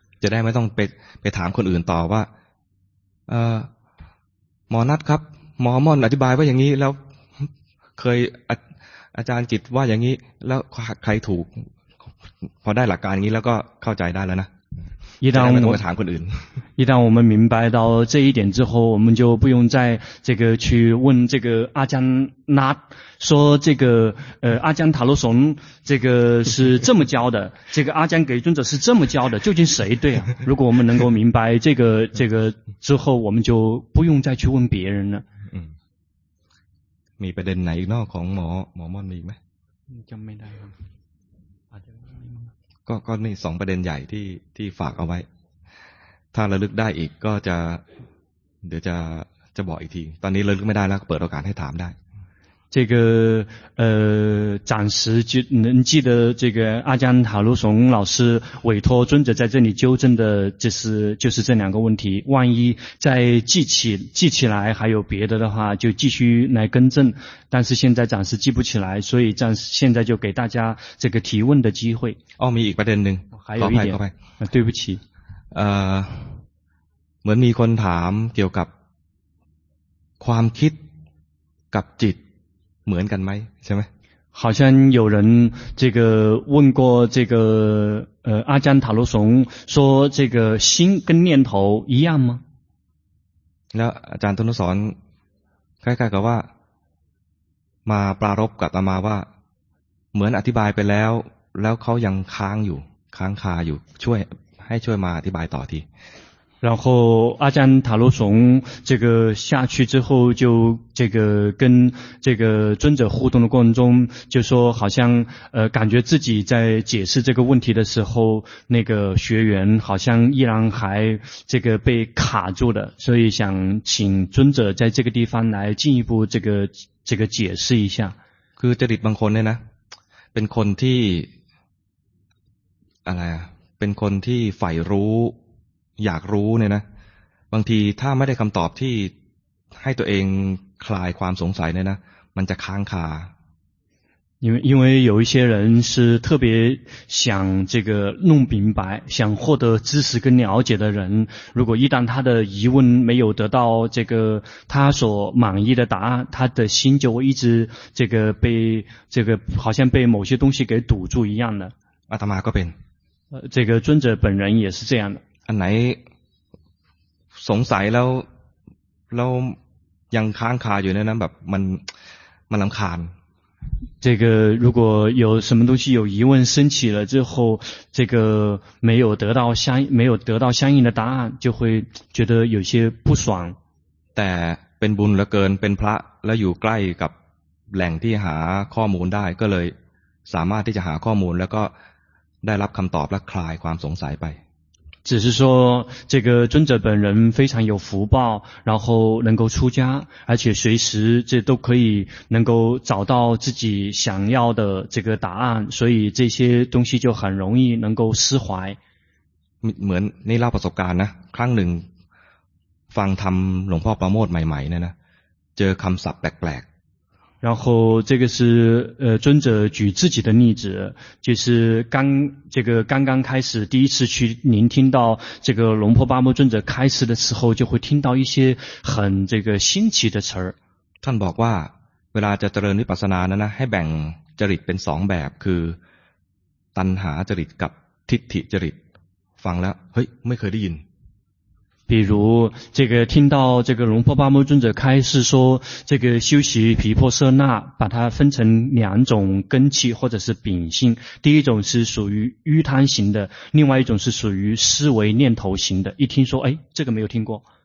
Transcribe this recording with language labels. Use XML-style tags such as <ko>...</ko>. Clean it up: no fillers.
<th>จะได้ไม่ต้องไปถามคนอื่นต่อว่าหมอนัทครับหมอม่อนอธิบายว่าอย่างนี้แล้วเคยอาจารย์จิตว่าอย่างนี้แล้วใครถูกพอได้หลักการนี้แล้วก็เข้าใจได้แล้วนะ</th> <zh>一旦我们</zh> <th>ถามคนอื่น</th> <zh>一旦我们明白到这一点之后，我们就不用再这个去问这个阿江拉说这个阿江塔罗松这个是这么教的，这个阿江给尊者是这么教的，究竟谁对啊？如果我们能够明白这个之后，我们就不用再去问别人了。嗯，</zh> <th>มีประเด็นไหนนอกของหมอหมอม่อนมีไหม จำไม่ได้ครับ ก็นี่สองประเด็นใหญ่ที่ฝากเอาไว้ถ้าระลึกได้อีกก็จะเดี๋ยวจะบอกอีกทีตอนนี้ระลึกไม่ได้แล้วเปิดโอกาสให้ถามได้</th> <zh>这个暂时就能记得这个阿江塔卢松老师委托尊者在这里纠正的就是这两个问题，万一再记起来还有别的话就继续来更正，但是现在暂时记不起来，所以现在就给大家这个提问的机会。</zh> <th>哦，มีอีกประเด็นหนึ่ง</th> <zh>还有一点，对不起。</zh> <th>เหมือนมีคนถามเกี่ยวกับความคิดกับจิตเหมือนกันไหมใช่ไหม？</th> <zh>好像有人这个问过这个阿江塔罗松说这个心跟念头一样吗？</zh> <th>แล้วอาจารย์ทนุสรใกล้ๆกับว่ามาปรารภกับอาตมาว่าเหมือนอธิบายไปแล้วแล้วเขายังค้างอยู่ค้างคาอยู่ให้ช่วยมาอธิบายต่อที</th> <zh>然后阿江塔罗松这个下去之后就这个跟这个尊者互动的过程中就说好像感觉自己在解释这个问题的时候那个学员好像依然还这个被卡住了，所以想请尊者在这个地方来进一步这个解释一下。</zh> <th>คือจริตบางคนเนี่ยนะเป็นคนที่อะไรอ่ะเป็นคนที่ใฝ่รู้อยากรู้เนี่ยนะบางทีถ้าไม่ได้คำตอบที่ให้ตัวเองคลายความสงสัยเนี่ยนะมันจะค้างคา</th> <zh>因为有一些人是特别想这个弄明白，想获得知识跟了解的人，如果一旦他的疑问没有得到这个他所满意的答案，他的心就会一直这个被这个好像被某些东西给堵住一样的。阿达玛这边，这个尊者本人也是这样的。</zh> <th>阿乃，สงสัยแล้วแล้วยังค้างคาอยู่ในนั้นแบบมันรำคาญ。</th> <zh>这个如果有什么东西有疑问升起了之后，这个没有得到相应的答案，就会觉得有些不爽。</zh> <th>แต่เป็นบุญเหลือเกินเป็นพระและอยู่ใกล้กับแหล่งที่หาข้อมูลได้ก็เลยสามารถที่จะหาข้อมูลแล้วก็ได้รับคำตอบและคลายความสงสัยไป</th> <zh>只是说这个尊者本人非常有福报，然后能够出家，而且随时这都可以能够找到自己想要的这个答案，所以这些东西就很容易能够释怀。</zh> <th>เหมือนนี่เล่าประสบการณ์นะครั้งหนึ่งฟังธรรมหลวงพ่อประโมทใหม่ๆเนี่ยนะเจอคำศัพท์แปลก</th> <zh>然后这个是尊者举自己的例子，就是刚刚开始第一次去聆听到这个龙婆巴木尊者开始的时候，就会听到一些很这个新奇的词儿。</zh> <th>ท่านบอกว่าเวลาจะเจริญวิปัสสนานะนะให้แบ่งจริตเป็นสองแบบคือตัณหาจริตกับทิฏฐิจริตฟังแล้วเฮ้ยไม่เคยได้ยิน</th> <zh>比如这个听到这个龙婆巴木尊者开示说这个修习毗婆舍那把它分成两种根器或者是秉性，第一种是属于瘀贪型的，另外一种是属于思维念头型的，一听说哎，这个没有听过</zh>